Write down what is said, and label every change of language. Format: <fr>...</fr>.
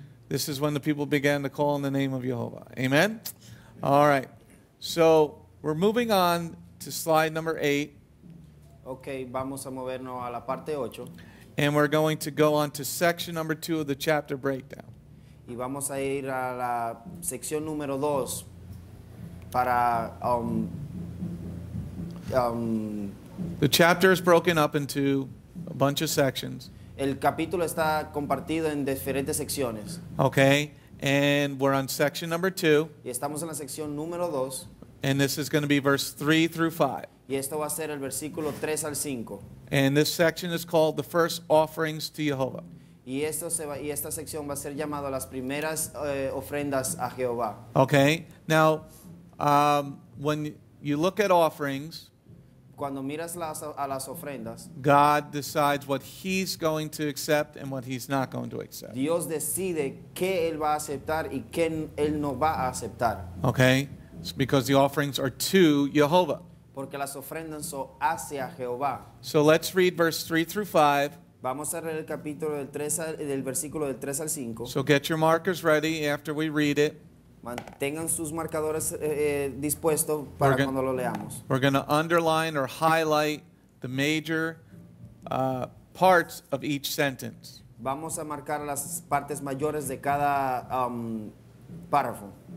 <en>This is when the people began to call on the name of YEHOVAH. Amen? All right. So we're moving on to slide number 8.</en> <es>Okay, vamos a movernos a la parte 8.</es> <en>And we're going to go on to section number 2 of the chapter breakdown.</en> <es>Y vamos a ir a la sección número 2 para</es> <en>the chapter is broken up into a bunch of sections.</en> <es>El capítulo está compartido en diferentes secciones.</es> <en>Okay, and we're on section number 2.</en> <es>Y estamos en la sección número 2.</es> <en>And this is going to be verse 3 through 5.</en> <es>Y esto va a ser el versículo 3 al 5.</es> <en>And this section is called the first offerings to YEHOVAH.</en> <es>Y esto se va, y esta sección va a ser llamado las primeras ofrendas a Jehová.</es> <en>Okay, now, when you look at offerings,</en> <es>cuando miras las, a las ofrendas,</es> <en>God decides what he's going to accept and what he's not going to accept.</en> <es>Dios decide qué él va a aceptar y qué él no va a aceptar.</es> <en>Okay, it's because the offerings are to YEHOVAH.</en> <es>Porque las ofrendas son hacia Jehová.</es> <en>So let's read verse 3 through 5.</en> <es>Vamos a leer el capítulo del 3 al, del versículo del 3 al 5.</es> <en>So get your markers ready after we read it.</en> <es>Mantengan sus marcadores dispuestos para cuando lo leamos.</es> <en>We're going to underline or highlight the major parts of each sentence.</en> <es>Vamos a marcar las partes mayores de cada párrafo.</es>